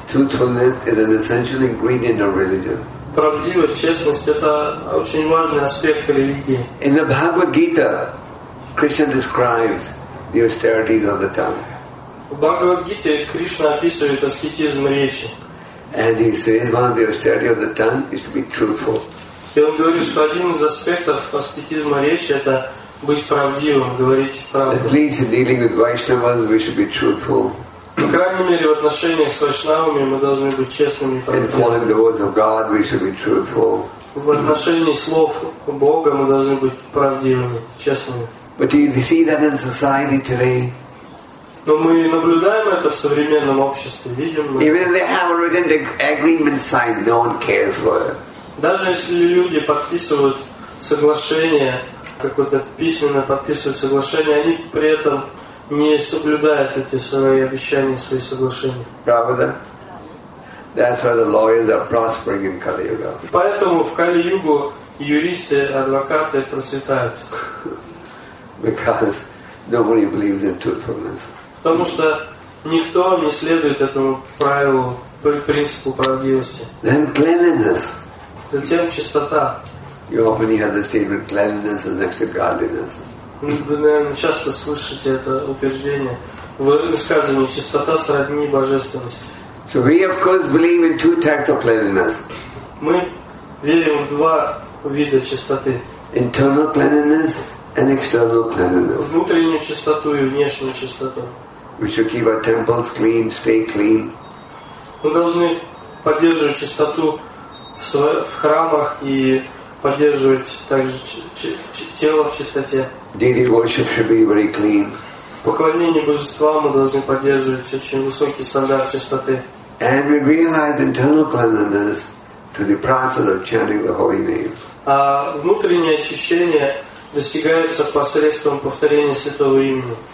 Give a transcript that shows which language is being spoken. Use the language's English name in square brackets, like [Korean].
[English] Truthfulness is an essential ingredient of religion. [Russian] Правдивость, честность — это очень важный аспект религии. [English] In the Bhagavad Gita, Krishna describes the austerities of the tongue. [Russian] В Бхагавад Гите Кришна описывает аскетизм речи. [English] And he says one of the austerities of the tongue is to be truthful. [Russian] И он говорит, что один из аспектов аскетизма речи — это быть правдивым, говорить правду. [English] At least in dealing with Vaishnavas, we should be truthful. [Russian] По крайней мере, в отношениях с вайшнавами мы должны быть честными. [English] In following the words of God, we should be truthful. [Russian] В отношении слов Бога мы должны быть правдивыми, честными. [English] But do you see that in society today? [Russian] Но мы наблюдаем это в современном обществе, видим. [English] Even if they have a written agreement signed, no one cares for it. [Russian] Даже если люди подписывают соглашение, какое-то письменно подписывают соглашение, они при этом не соблюдают эти свои обещания, свои соглашения. Правда? [English] That's why the lawyers are prospering in Kali Yuga. [Russian] Поэтому в Кали Югу юристы, адвокаты процветают. [English] Because nobody believes in truthfulness. [Russian] Потому что никто не следует этому правилу, принципу правдивости. [English] Then cleanliness. [Russian] Затем чистота. [English] You often hear the statement cleanliness is next to godliness. [Russian] Вы, наверное, часто слышите это утверждение. В высказывании чистота сродни божественности. [English] So we of course believe in two types of cleanliness. [Russian] Мы верим в два вида чистоты. [English] Internal cleanliness and external cleanliness. [Russian] Внутреннюю чистоту и внешнюю чистоту. [English] We should keep our temples clean, stay clean. [Russian] Мы должны поддерживать чистоту в храмах и поддерживать также тело в чистоте. [English] Daily worship should be very clean. [Russian] В поклонении божествам мы должны поддерживать очень высокий стандарт чистоты. [English] And we realize internal cleanliness through the process of chanting the holy name. [Russian] А внутреннее очищение достигается посредством повторения святого имени.